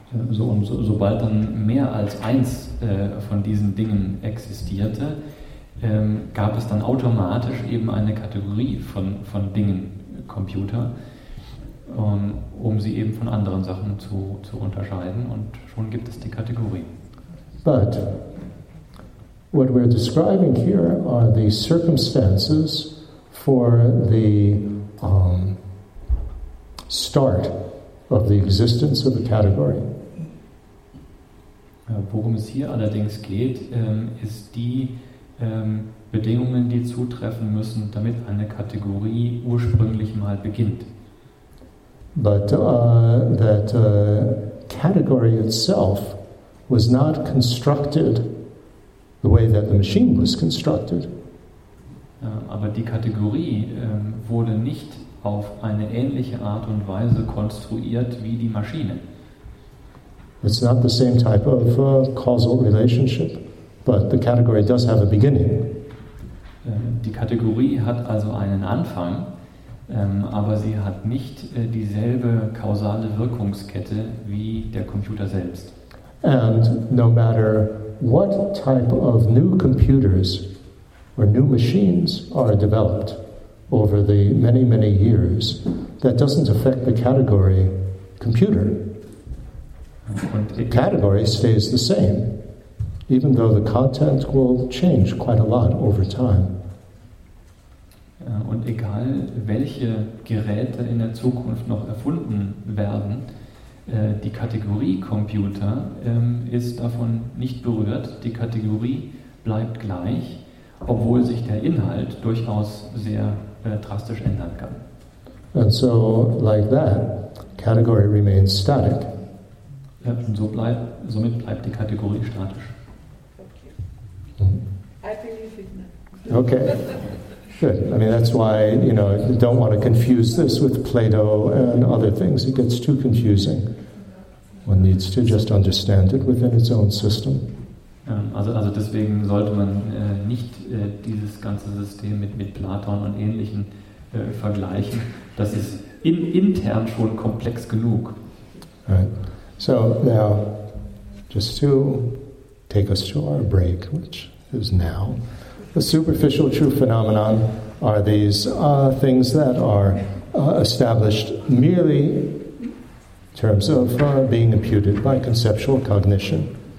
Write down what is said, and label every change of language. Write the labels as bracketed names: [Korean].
[German] Sobald dann mehr als eins von diesen Dingen existierte, gab es dann automatisch eben eine Kategorie von Dingen, Computer, um sie eben von anderen Sachen zu unterscheiden, und schon gibt es die Kategorie. [English] But what we're describing here are the circumstances for the start of the existence of a category. [German] Worum es hier allerdings geht, ist die Bedingungen, die zutreffen müssen, damit eine Kategorie ursprünglich mal beginnt. [English] But that category itself was not constructed the way that the machine was constructed. [German] Aber die Kategorie wurde nicht auf eine ähnliche Art und Weise konstruiert wie die Maschine. [English] It's not the same type of causal relationship, but the category does have a beginning. [German] Die Kategorie hat also einen Anfang, aber sie hat nicht dieselbe kausale Wirkungskette wie der Computer selbst. [English] And no matter what type of new computers or new machines are developed over the many, many years, that doesn't affect the category computer. [German] Und [English] the category stays the same, even though the content will change quite a lot over time. [German] Und egal, welche Geräte in der Zukunft noch erfunden werden, die Kategorie Computer ist davon nicht berührt. Die Kategorie bleibt gleich, obwohl sich der Inhalt durchaus sehr drastisch ändern kann. [English] And so, like that, category remains static. [German] Und so bleibt, somit bleibt die Kategorie statisch. [English] Okay. I believe it now. Okay. Good. I mean, that's why, you know, you don't want to confuse this with Plato and other things. It gets too confusing. One needs to just understand it within its own system. [German] Also deswegen sollte man nicht dieses ganze System mit Platon und Ähnlichem vergleichen. Das ist intern schon komplex genug. [English] Right. So now, just to take us to our break, which is now. The superficial true phenomenon are these things that are established merely in terms of being imputed by conceptual cognition.